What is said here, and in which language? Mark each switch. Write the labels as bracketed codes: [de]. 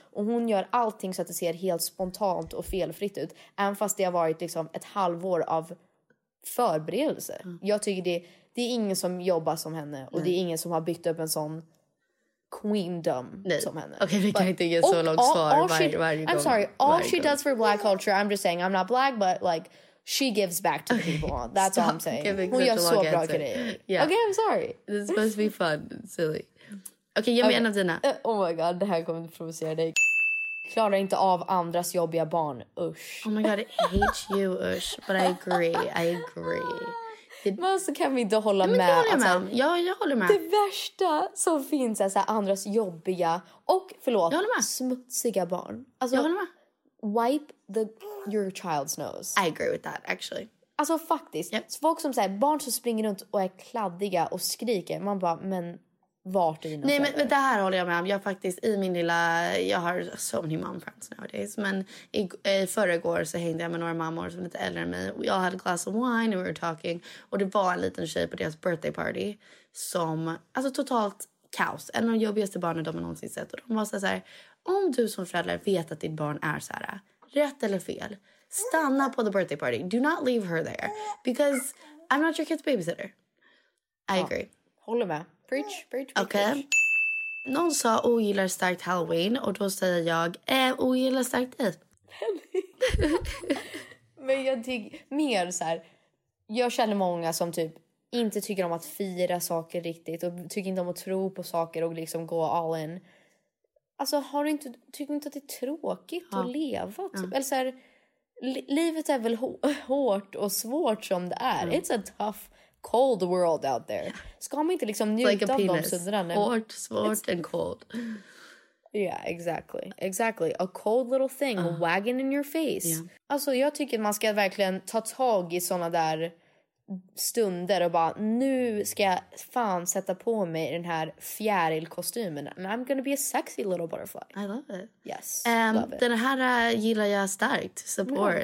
[sv] Och hon gör allting så att det ser helt spontant och felfritt ut. Även fast det har varit liksom ett halvår av förberedelse. Mm. Jag tycker det är ingen som jobbar som henne. Och Nej. Det är ingen som har byggt upp en sån queendom Nej. Som henne. Okej, okay, vi kan inte ge så långt svar varje [en] gång. I'm sorry, all she does for black culture, I'm just saying, I'm not black, but like... She gives back to the people. Okay, that's what I'm saying. [sv] Hon gör så bra grejer. [en] Yeah. Okay, I'm sorry. This is supposed to be fun. Silly. Okay, [sv] ge mig en av dina. [en] Oh my god, [sv] det här kommer att provocera dig. Klarar inte av andras jobbiga barn. Usch. [en] Oh my god, I hate you, [sv] usch. [en] But I agree. [sv] Men så kan vi inte hålla med. Jag håller med. Alltså, jag håller med. Det värsta som finns är så här, andras jobbiga och, förlåt, smutsiga barn. Alltså, jag håller med. [en] Wipe your child's nose. I agree with that, actually. [sv] Alltså, faktiskt. Yep. Så folk som säger, barn som springer runt och är kladdiga och skriker. Man bara, men vart är Nej, men det här håller jag med om. Jag faktiskt, i min lilla... Jag har [en] so many mom friends nowadays. [sv] Men i föregår så hängde jag med några mammor som lite äldre än mig. Jag hade [en] a glass of wine and we were talking. [sv] Och det var en liten tjej på deras [en] birthday party. [sv] Som, alltså totalt kaos. En av de jobbigaste barnen de har någonsin sett. Och de var så här... Om du som förälder vet att ditt barn är så här, rätt eller fel, stanna på [en] the birthday party. Do not leave her there. Because I'm not your kid's babysitter. I agree. [sv] Håller med. [en] Preach. Okay. [sv] Någon sa ogillar starkt Halloween och då säger jag, ogillar starkt dig. Men jag tycker mer så här, jag känner många som typ inte tycker om att fira saker riktigt och tycker inte om att tro på saker och liksom gå [en] all in. [sv] Alltså, tycker du inte att det är tråkigt att leva? Typ? Ja. Eller så här, livet är väl hårt och svårt som det är. [en] Mm. It's a tough, cold world out there. [sv] Ska man inte liksom njuta av dem sådana? Hårt, svårt [en] and cold. Yeah, exactly. A cold little thing wagging in your face. Yeah. [sv] Alltså, jag tycker att man ska verkligen ta tag i såna där stunder och bara, nu ska jag fan sätta på mig den här fjärilkostymen. [en] And I'm gonna be a sexy little butterfly. I love it. Yes, love it. [sv] Den här gillar jag starkt. [en] Support.